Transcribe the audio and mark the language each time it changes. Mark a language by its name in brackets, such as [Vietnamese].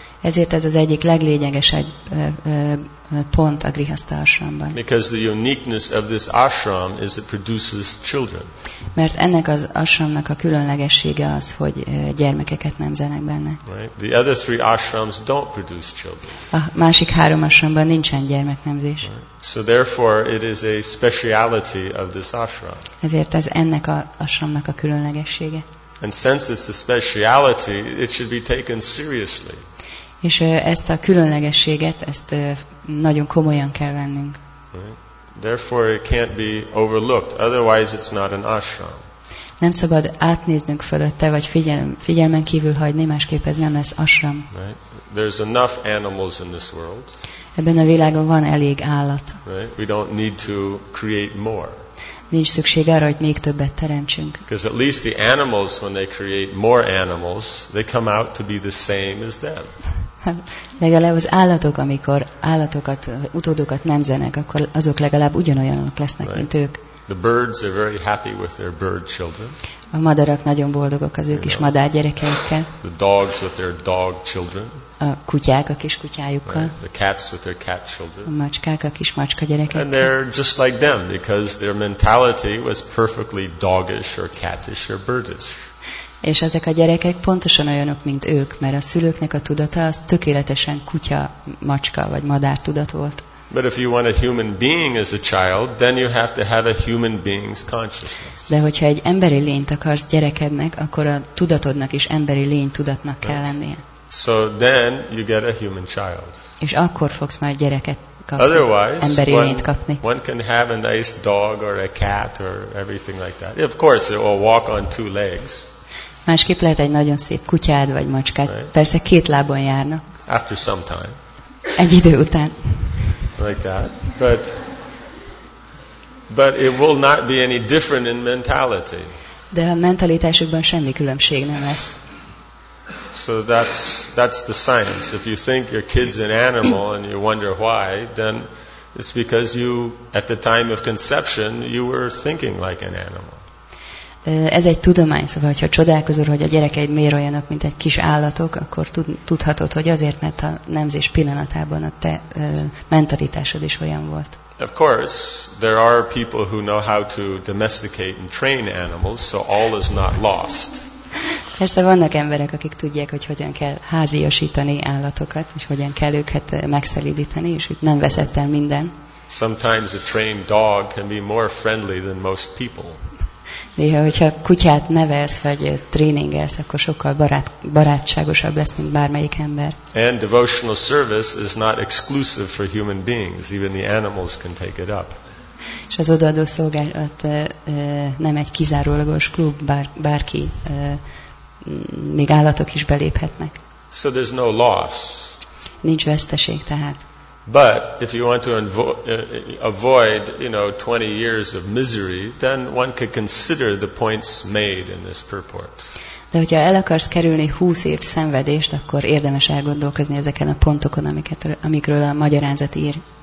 [Hungarian] Ezért ez az egyik leglényegesebb pont a Grihastha ashramban. [English] Because the uniqueness of this ashram is it produces children. [Hungarian] Mert ennek az ashramnak a különlegessége az, hogy gyermekeket nemzenek benne. [English] Right? The other three ashrams don't produce children. [Hungarian] A másik három ashramban nincsen gyermeknemzés. [English] Right? So therefore it is a speciality of this ashram. [Hungarian] Ezért ez ennek az ashramnak a különlegessége. [English] And since it's a speciality, it should be taken seriously. [Hungarian] És ezt a különlegességet, ezt nagyon komolyan kell vennünk. [English] Right. Therefore it can't be overlooked, otherwise it's not an ashram. [Hungarian] Nem szabad átnéznünk fölötte, vagy figyelmen kívül hagyni, másképp ez nem lesz ashram. [English] Right. There's enough animals in this world. [Hungarian] Ebben a világon van elég állat. [English] Right. We don't need to create more. [Hungarian] Nincs szükség arra, hogy még többet teremtsünk. [English] Because at least the animals, when they create more animals, they come out to be the same as them. [Hungarian] Legalább az állatok, amikor állatokat, utódokat nemzenek, akkor azok legalább ugyanolyanok lesznek, [English] right, [Hungarian] mint ők. [English] The birds are very happy with their bird children. [Hungarian] A madarak nagyon boldogok az ő kis madár gyerekeikkel. [English] The dogs with their dog children. [Hungarian] A kutyák a kis kutyájukkal. [English] Right. The cats with their cat children. [Hungarian] A macskák a kis macska gyerekeikkel. [English] And they're just like them because their mentality was perfectly doggish or catish or birdish. [Hungarian] És ezek a gyerekek pontosan olyanok, mint ők, mert a szülőknek a tudata az tökéletesen kutya, macska vagy madár tudat volt. [English] But if you want a human being as a child, then you have to have a human being's consciousness. [Hungarian] De hogyha egy emberi lényt akarsz gyerekednek, akkor a tudatodnak is emberi lény tudatnak kell lennie. [English] So then you get a human child. [Hungarian] És akkor fogsz majd gyereket kapni. [English] Otherwise, [Hungarian] emberi lényt kapni. [English] One can have a nice dog or a cat or everything like that. Of course, it will walk on two legs. [Hungarian] Másképp lehet egy nagyon szép kutyád vagy macskád. [English] Right. [Hungarian] Persze két lábon járna. [English] After some time. [Hungarian] Egy idő után. [English] Like that, but it will not be any different in mentality. [Hungarian] De a mentalitásukban semmi különbség nem lesz. [English] So that's the science. If you think your kid's an animal and you wonder why, then it's because you, at the time of conception, you were thinking like an animal. [Hungarian] Ez egy tudomány, szóval ha csodálkozol, hogy a gyerekeid miért olyanok, mint egy kis állatok, akkor tudhatod, hogy azért, mert a nemzés pillanatában a te mentalitásod is olyan volt. [English] Of course, there are people who know how to domesticate and train animals, so all is not lost. [Hungarian] Persze vannak emberek, akik tudják, hogy hogyan kell háziasítani állatokat, és hogyan kell őket megszelídíteni, és hogy nem veszett el minden. [English] Sometimes a trained dog can be more friendly than most people. [Hungarian] Néha, hogyha kutyát nevelsz, vagy tréningelsz, akkor sokkal barátságosabb lesz, mint bármelyik ember. [English] And devotional service is not exclusive for human beings. Even the animals can take it up. [Hungarian] És az odaadó szolgálat nem egy kizárólagos klub, bárki, még állatok is beléphetnek. [English] So there's no loss. [Hungarian] Nincs veszteség tehát. [English] But if you want to avoid, you know, 20 years of misery, then one could consider the points made in this purport. [Hungarian] De hogyha el akarsz kerülni 20 év szenvedést, akkor érdemes elgondolkozni ezeken a pontokon, amikről a magyarázat ír.